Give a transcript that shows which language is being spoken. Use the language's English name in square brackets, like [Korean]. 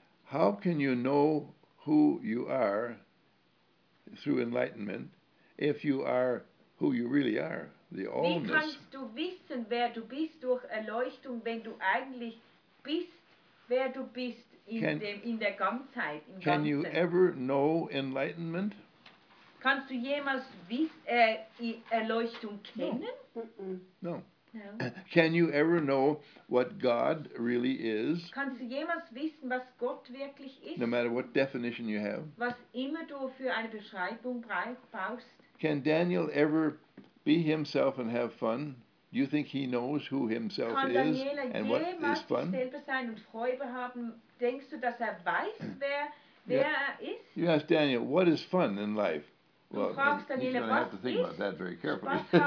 [English] How can you know who you are through enlightenment if you are who you really are? [German] Wie kannst du wissen, wer du bist durch Erleuchtung, wenn du eigentlich bist, wer du bist in der Ganzheit? Im [English] can [German] Ganzen. [English] You ever know enlightenment? [German] Kannst du jemals Erleuchtung kennen? [English] No. Can you ever know what God really is? [German] Kannst du jemals wissen, was Gott wirklich ist? [English] No matter what definition you have. [German] Was immer du für eine Beschreibung brauchst. [English] Can Daniel ever be himself and have fun? Do you think he knows who himself is and what is fun? [German] Kann Daniela jemals sich selber sein und Freude haben? Denkst du, dass weiß, wer er ist? [English] You ask Daniel, what is fun in life? [German] Well, du fragst Daniela, [English] he's going to have to think about that very carefully.